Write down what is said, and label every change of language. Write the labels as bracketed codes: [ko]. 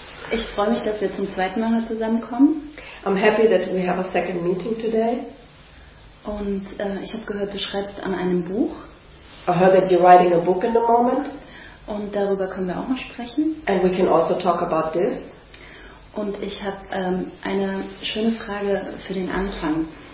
[de] Ich freue mich, dass wir zum zweiten Mal zusammenkommen. [en] I'm happy that we have a second meeting today. [de] Und ich habe gehört, du schreibst an einem Buch. [en] I heard that you're writing a book in the moment. [de] Und darüber können wir auch noch sprechen. [en] And we can also talk about this. [de] Und ich habe eine schöne Frage für den Anfang.